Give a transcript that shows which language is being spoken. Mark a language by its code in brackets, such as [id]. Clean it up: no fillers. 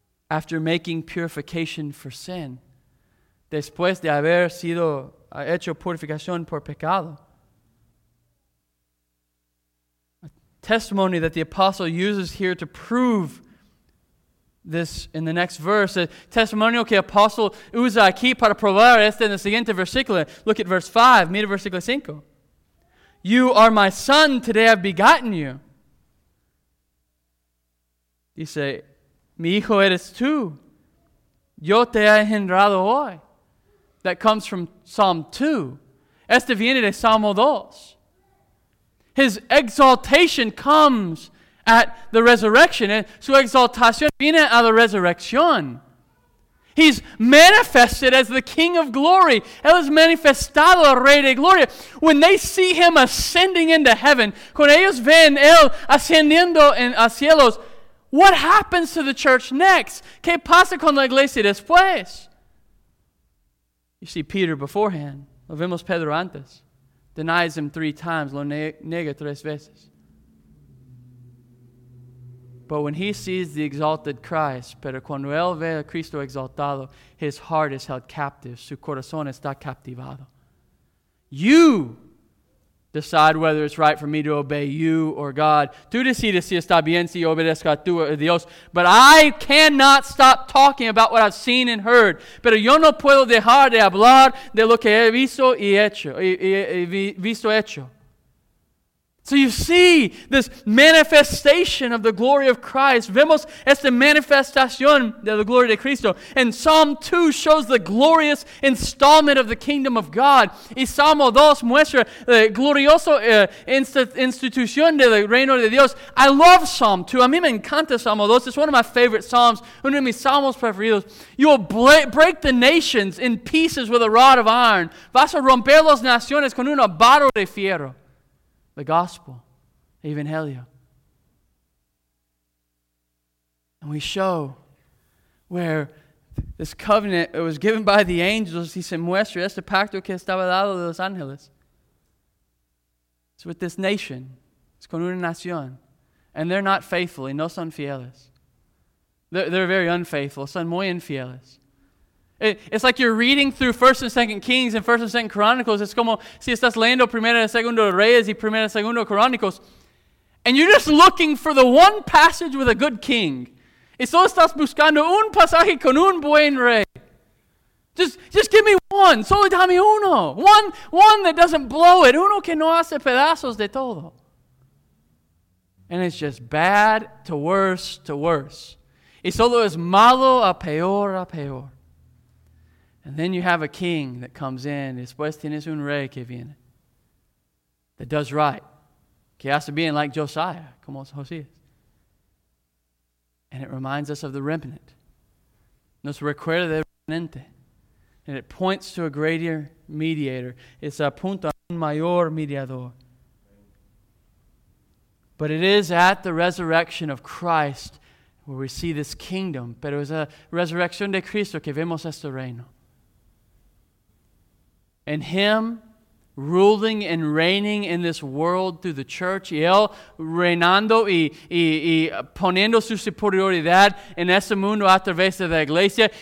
[en] After making purification for sin, [es] después de haber sido hecho purificación por pecado, [en] a testimony that the apostle uses here to prove this in the next verse, [es] a testimonio que el apóstol usa aquí para probar este en el siguiente versículo. [en] Look at verse 5, [es] mira versículo 5. [en] You are my son, today I've begotten you. [es] Dice, mi hijo eres tú, yo te he engendrado hoy. [en] That comes from Psalm 2. [es] Este viene de Salmo 2. [en] His exaltation comes at the resurrection. [es] Su exaltación viene a la resurrección. [en] He's manifested as the King of Glory. [es] Él es manifestado el Rey de Gloria. [en] When they see him ascending into heaven, [es] cuando ellos ven él ascendiendo en a cielos, [en] what happens to the church next? [es] ¿Qué pasa con la iglesia después? [en] You see, Peter beforehand, [es] lo vemos Pedro antes, [en] denies him 3 times, [es] lo niega 3 veces. [en] But when he sees the exalted Christ, [es] pero cuando él ve a Cristo exaltado, [en] his heart is held captive, [es] su corazón está captivado. [en] You decide whether it's right for me to obey you or God. [es] Tú decides si está bien si obedezco a tú o Dios. [en] But I cannot stop talking about what I've seen and heard. [es] Pero yo no puedo dejar de hablar de lo que he visto y hecho. [en] So you see this manifestation of the glory of Christ. [es] Vemos esta manifestación de la gloria de Cristo. [en] And Psalm 2 shows the glorious installment of the kingdom of God. [es] Y Salmo 2 muestra la gloriosa institución del reino de Dios. [en] I love Psalm 2. [es] A mí me encanta Salmo 2. [en] It's one of my favorite psalms. [es] Uno de mis salmos preferidos. [en] You will break the nations in pieces with a rod of iron. [es] Vas a romper las naciones con una barra de fierro. [en] The gospel, the evangelio. And we show where this covenant, it was given by the angels, [es] dice, muestra este pacto que estaba dado de los ángeles. [en] It's with this nation. It's [es] con una nación. [en] And they're not faithful. [es] Y no son fieles. [en] They're very unfaithful. [es] Son muy infieles. [en] It's like you're reading through 1 and 2 Kings and 1 and 2 Chronicles. [es] It's como si estás leyendo 1 y 2 Reyes y 1 y 2 Chronicles. [en] And you're just looking for the one passage with a good king. [es] Y solo estás buscando un pasaje con un buen rey. [en] Just give me one. [es] Solo dame uno. [en] One that doesn't blow it. [es] Uno que no hace pedazos de todo. [en] And it's just bad to worse to worse. [es] Y solo es malo a peor a peor. [en] And then you have a king that comes in. [es] Después tienes un rey que viene. [en] That does right. [es] Que hace bien [en] like Josiah. [es] Como Josías. [en] And it reminds us of the remnant. [es] Nos recuerda del remanente. [en] And it points to a greater mediator. It's [es] a punto a un mayor mediador. [en] But it is at the resurrection of Christ where we see this kingdom. [es] Pero es la resurrección de Cristo que vemos este reino. [en] And Him ruling and reigning in this world through the church. [es] Y Él reinando y poniendo su superioridad en este mundo a través de la iglesia.